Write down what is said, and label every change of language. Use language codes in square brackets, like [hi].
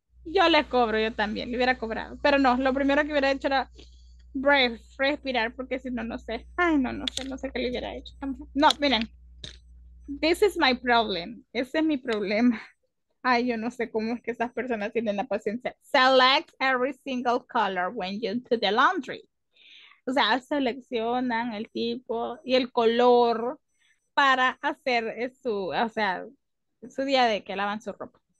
[es] Yo también, le hubiera cobrado. Pero no, lo primero que hubiera hecho era respirar, porque si no, no sé. Ay, no sé qué le hubiera hecho. No, miren. [en] This is my problem. [es] Ese es mi problema. Ay, yo no sé cómo es que esas personas tienen la paciencia. [en] Select every single color when you do the laundry. [es] O sea, seleccionan el tipo y el color para hacer su, o sea, su día de que lavan su ropa.